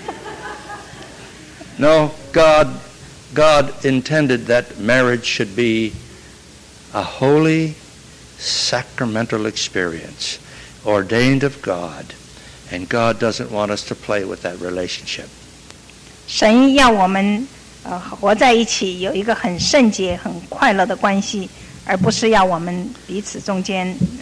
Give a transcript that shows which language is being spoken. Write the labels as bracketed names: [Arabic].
[Chinese] 他说离婚倒是没想过，那是要谋杀，常常有这样的意思。 [English] No, God intended that marriage should be a holy sacramental experience ordained of God, and God doesn't want us to play with that relationship. [Chinese] 神要我们活在一起有一个很圣洁、很快乐的关系，而不是要我们彼此中间。